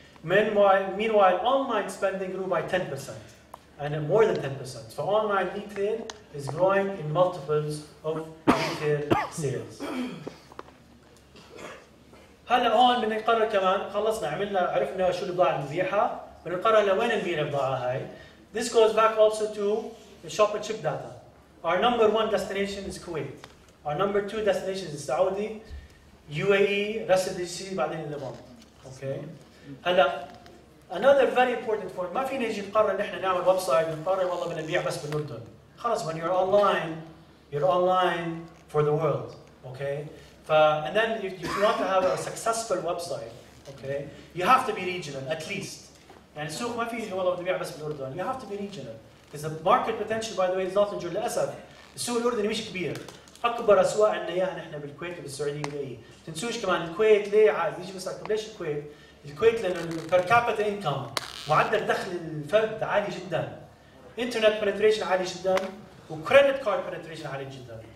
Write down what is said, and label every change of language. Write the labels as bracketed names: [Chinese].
[English] Meanwhile online spending grew by 10%. And more than 10%. So online retail is growing in multiples of retail sales. [Arabic] هلا هون بنقرر كمان خلصنا عملنا عرفنا شو البضاعة اللي نبيعها بنقرر لوين نبيع البضاعة هاي. [English] This goes back also to the shop and ship data. Our number one destination is Kuwait. Our number two destination is Saudi, UAE, rest of the GCC, [Arabic] بعدين لبنان. [English] Okay. [Arabic] هلا [English] Another very important point. [Arabic] ما في نجي نقرر نحن نعمل ويب سايت ونقرر والله بدنا نبيع بس بالأردن. [English] خلاص when you're online for the world. Okay. And then if you want to have a successful website, okay, you have to be regional at least. [Arabic] يعني السوق ما في نجي والله بدنا نبيع بس بالأردن. [English] You have to be regional. Because the market potential, by the way, is not in Jordan. [Arabic] للأسف السوق الأردني مش كبير. اكبر اسواق عنا اياها نحن بالكويت وبالسعوديه ولا ايه. تنسوش كمان الكويت ليه عاد بيجي بسالكم ليش الكويت؟ الكويت لانه البر كابيتا انكم معدل دخل الفرد عالي جدا، انترنت بنتريشن عالي جدا، وكريدت كارد بنتريشن عالي جدا.